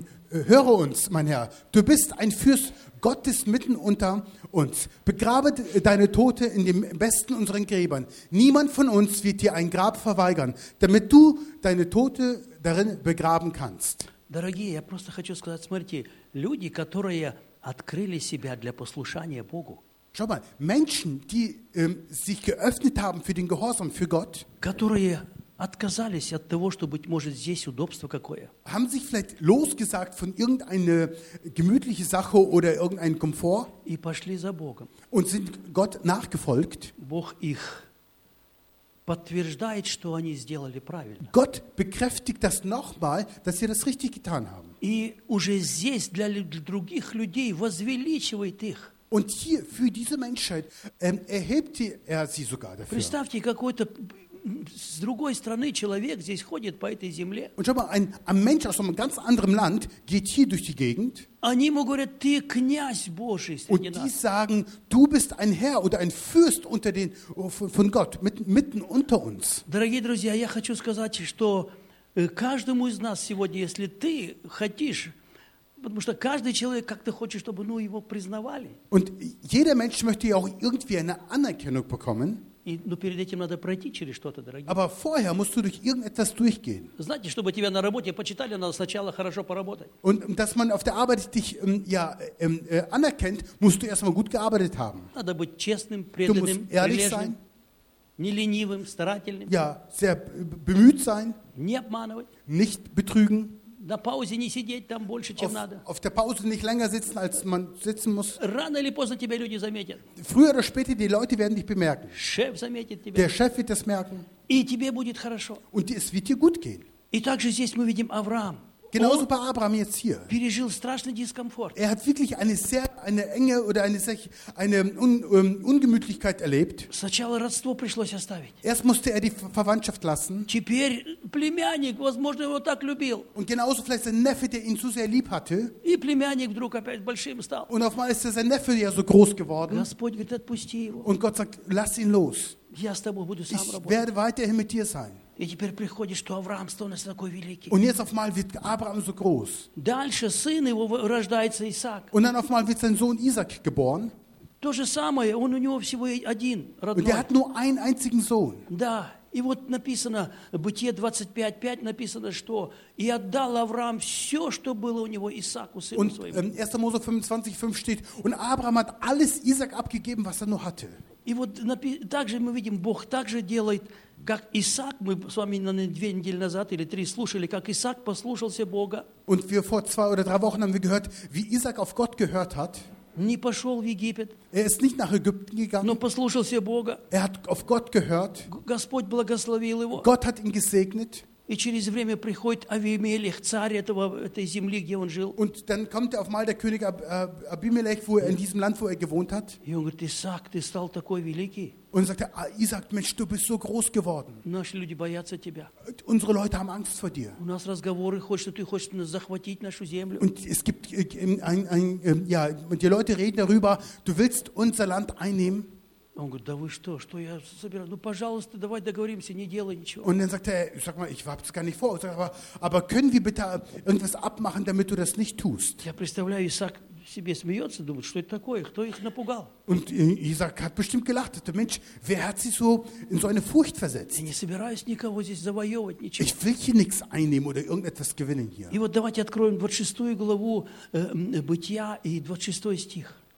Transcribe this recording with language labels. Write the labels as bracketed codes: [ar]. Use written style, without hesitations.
[de] Höre uns, mein Herr, du bist ein Fürst Gottes mitten unter uns. Begrabe deine Tote in dem besten unseren Gräbern. Niemand von uns wird dir ein Grab verweigern, damit du deine Tote darin begraben kannst. [ru] Дорогие, я просто хочу сказать, смотрите, люди, которые открыли себя для послушания Богу. [de] Schau mal, Menschen, die sich geöffnet haben für den Gehorsam, für Gott, [ru] которые отказались от того, что, быть может, здесь удобство какое. [de] Haben sich vielleicht losgesagt von irgendeiner gemütlichen Sache oder irgendeinem Komfort? [ru] И пошли за Богом. [de] Und sind Gott nachgefolgt? [ru] Бог их подтверждает, что они сделали правильно. [de] Gott bekräftigt das nochmal, dass sie das richtig getan haben. [ru] И уже здесь для других людей возвеличивает их. [de] Und hier für diese Menschheit erhebt er sie sogar dafür. [ru] Представьте, какой-то с другой стороны человек здесь ходит по этой земле. [de] Und schau mal, ein Mensch aus einem ganz anderen Land geht hier durch die Gegend. [ru] Они ему говорят, ты князь Божий среди нас. [de] Und die sagen, du bist ein Herr oder ein Fürst unter den von Gott mitten unter uns. [ru] Дорогие друзья, я хочу сказать, что каждому из нас сегодня, если ты хочешь, потому что каждый человек как-то хочет, чтобы его признавали. [de] Und jeder Mensch möchte ja auch irgendwie eine Anerkennung bekommen. [ru] Но перед этим надо пройти через что-то, дорогие. [de] Aber vorher musst du durch irgendetwas durchgehen. [ru] Знаете, чтобы тебя на работе почитали, надо сначала хорошо поработать. [de] Und dass man auf der Arbeit dich anerkennt, musst du erstmal gut gearbeitet haben. [ru] Надо быть честным, преданным, прилежным, не ленивым, старательным. [de] Ja, sehr bemüht sein. [ru] Не обманывать. [de] Nicht betrügen. [ru] На паузе не сидеть там больше, чем надо. [de] Auf der Pause nicht länger sitzen, als man sitzen muss. [ru] Рано или поздно тебя люди заметят. [de] Früher oder später die Leute werden dich bemerken. [ru] Шеф заметит тебя. [de] Der Chef wird das merken. [ru] И тебе будет хорошо. [de] Und es wird dir gut gehen. [ru] И также здесь мы видим Авраам. [de] Genauso bei Abraham jetzt hier. [ru] Пережил страшный дискомфорт. [de] Er hat wirklich eine Ungemütlichkeit erlebt. [ru] Сначала родство пришлось оставить. [de] Erst musste er die Verwandtschaft lassen. [ru] Теперь племянник, возможно, его так любил. [de] Und genauso vielleicht sein Neffe, der ihn so sehr lieb hatte. [ru] И племянник вдруг опять большим стал. [de] Und auf einmal ist sein Neffe ja so groß geworden. [ru] Господь говорит, отпусти его. [de] Und Gott sagt, lass ihn los. [ru] Я с тобой буду сам работать. [de] Ich werde weiterhin mit dir sein. [ru] И теперь приходит, что Авраам становится такой великий. [de] Und jetzt auf einmal wird Abraham so groß. [ru] Дальше сын его рождается Исаак. [de] Und dann auf einmal wird sein Sohn Isaac geboren. [ru] То же самое, он у него всего один родной. [de] Und er hat nur einen einzigen Sohn. [ru] Да, и вот написано, Бытие 25:5 написано, что и отдал Авраам все, что было у него Исааку, сыну [de] Und, [ru] своему. [de] 1. Mose 25:5 steht, und Abraham hat alles Isaac abgegeben, was er nur hatte. [ru] И вот также мы видим, Бог также делает, как Исаак, мы с вами две недели назад или три слушали, как Исаак послушался Бога. [de] Und wir vor zwei oder drei Wochen haben wir gehört, wie Isaac auf Gott gehört hat. [ru] Не пошел в Египет. [de] Er ist nicht nach Ägypten gegangen. [ru] Но послушался Бога. [de] Er hat auf Gott gehört. [ru] Господь благословил его. [de] Gott hat ihn gesegnet. [ru] И через время приходит Авимелех, царь этой земли, где он жил. [de] Und dann kommt auf einmal der König Abimelech, wo er in diesem Land, wo er gewohnt hat. [ru] И он говорит, Исаак, ты стал такой великий. [de] Und sagte, Isaac, Mensch, du bist so groß geworden. [ru] Наши люди боятся тебя. [de] Unsere Leute haben Angst vor dir. [ru] У нас разговоры, что ты хочешь захватить нашу землю. [de] Und es gibt die Leute reden darüber, du willst unser Land einnehmen. [ru] Он говорит, да вы что, что я собираю? Ну, пожалуйста, давай договоримся, не делай ничего. [de] Und dann sagt er, sag mal, ich hab's gar nicht vor. Sag, aber können wir bitte irgendwas abmachen, damit du das nicht tust? [ru] Я представляю, Исаак себе смеется, думает, что это такое, кто их напугал? [de] Und Isaac hat bestimmt gelacht. Der Mensch, wer hat sie so in so eine Furcht versetzt? [ru] Я не собираюсь никого здесь завоевывать, ничего. [de] Ich will hier nichts einnehmen oder irgendetwas gewinnen hier. [ru] И вот давайте откроем 26 главу Бытия и 26 стих.